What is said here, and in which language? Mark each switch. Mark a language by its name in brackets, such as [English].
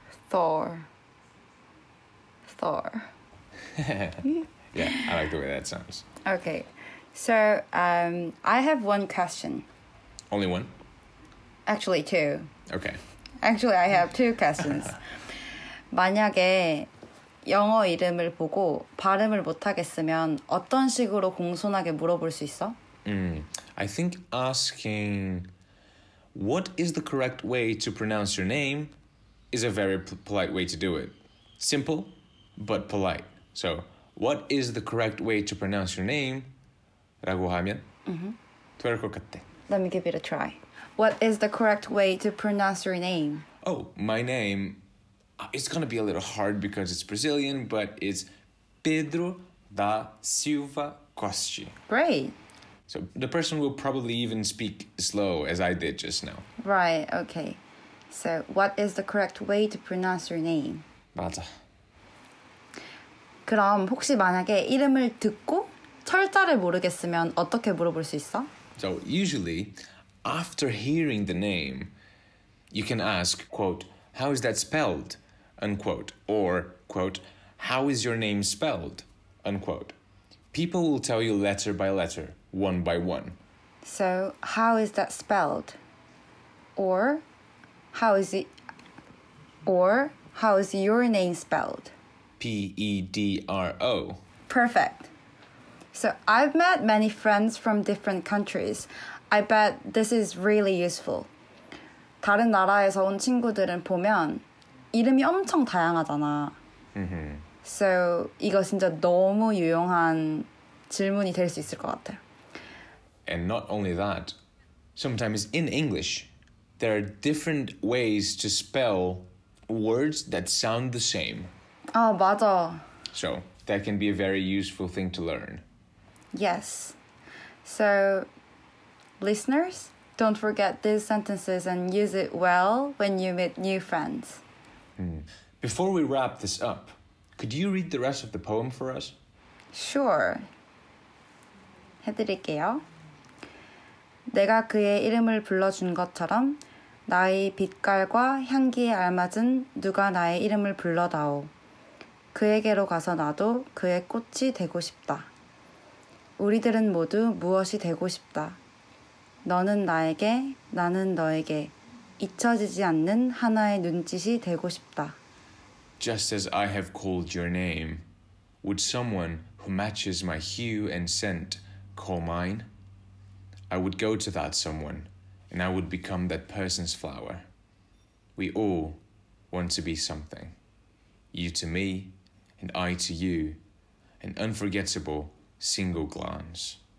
[English] Thor. Thor. Yeah, I like the way that sounds. Okay. So I have one question. Only one? Actually, two. Okay. Actually, I have two questions. [Korean] 만약에 영어 이름을 보고 발음을 못하겠으면 어떤 식으로 공손하게 물어볼 수 있어? [English] I think asking what is the correct way to pronounce your name is a very polite way to do it. Simple, but polite. So, what is the correct way to pronounce your name? [Korean] 라고 하면 될 것 같아. [English] Let me give it a try. What is the correct way to pronounce your name? Oh, my name, it's going to be a little hard because it's Brazilian, but it's Pedro da Silva Costa. Great. So the person will probably even speak slow as I did just now. Right, okay. So what is the correct way to pronounce your name? [Korean] 맞아. 그럼 혹시 만약에 이름을 듣고 철자를 모르겠으면 어떻게 물어볼 수 있어? [English] So usually, after hearing the name, you can ask, quote, how is that spelled, unquote, or, quote, how is your name spelled, unquote. People will tell you letter by letter, one by one. So, how is that spelled? Or how is your name spelled? P-E-D-R-O. Perfect. So, I've met many friends from different countries. I bet this is really useful. [Korean] 다른 나라에서 온 친구들은 보면 이름이 엄청 다양하잖아. So, 이거 진짜 너무 유용한 질문이 될 수 있을 것 같아. [English] And not only that, sometimes in English, there are different ways to spell words that sound the same. [Korean] 아, 맞아. [English] So, that can be a very useful thing to learn. Yes. So, listeners, don't forget these sentences and use it well when you meet new friends. Before we wrap this up, could you read the rest of the poem for us? [Korean] Sure. 해드릴게요. 내가 그의 이름을 불러준 것처럼 나의 빛깔과 향기에 알맞은 누가 나의 이름을 불러다오. 그에게로 가서 나도 그의 꽃이 되고 싶다. 우리들은 모두 무엇이 되고 싶다. 너는 나에게, 나는 너에게 잊혀지지 않는 하나의 눈짓이 되고 싶다. [English] Just as I have called your name, would someone who matches my hue and scent call mine? I would go to that someone, and I would become that person's flower. We all want to be something. You to me, and I to you, an unforgettable single glance.